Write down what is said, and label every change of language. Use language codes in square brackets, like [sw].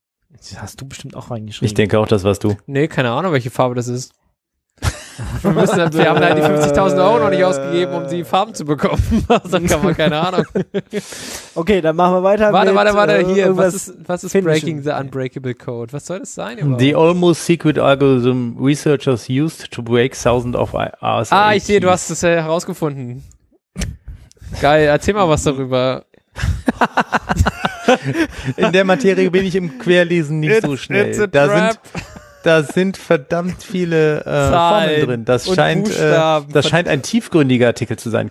[de] Das hast du bestimmt auch reingeschrieben. Ich denke auch, das warst du. Nee, keine Ahnung, welche Farbe das ist. Wir haben leider die 50.000 Euro noch nicht ausgegeben, um die Farben zu bekommen. Dann kann man keine Ahnung. Okay, dann machen wir weiter. Warte, hier, was ist Breaking the Unbreakable Code? Was soll das sein? Überhaupt? [en] The almost secret algorithm researchers used to break thousands of RSA. [de] Ah, ich sehe, du hast es herausgefunden. Geil, erzähl mal was darüber. In der Materie bin ich im Querlesen nicht so schnell. [en] It's a trap. [de] Da sind verdammt viele Formeln drin. Das scheint, ein tiefgründiger Artikel zu sein.